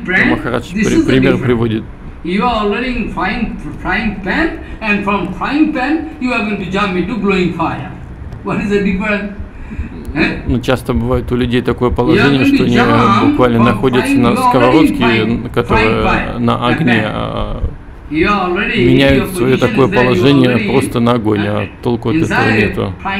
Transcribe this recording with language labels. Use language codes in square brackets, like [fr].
[ru] Махарадж пример приводит. [en] You are already in frying pan, and from frying pan you are going to jump into glowing fire. What is the difference? [ru] Ну, часто бывает у людей такое положение, что они буквально находятся на сковородке, которая на огне, меняют свое такое положение просто на огонь, а толку от этого нету.